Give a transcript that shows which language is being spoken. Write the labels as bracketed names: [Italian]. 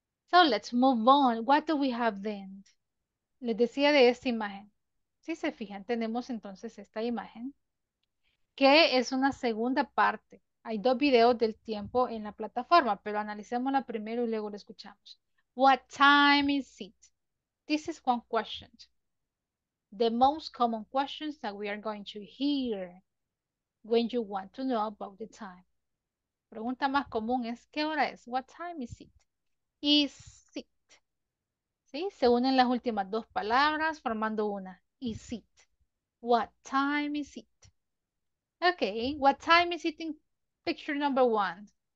[English] So let's move on. What do we have then? [Spanish] Les decía de esta imagen. Si se fijan, tenemos entonces esta imagen, que es una segunda parte. Hay dos videos del tiempo en la plataforma, pero analicémosla primero y luego la escuchamos. [English] What time is it? This is one question. The most common questions that we are going to hear when you want to know about the time. [Spanish] Pregunta más común es, ¿qué hora es? [English] What time is it? Is it? [Spanish] ¿Sí? Se unen las últimas dos palabras formando una. [English] Is it? What time is it? Okay, what time is it in picture number one?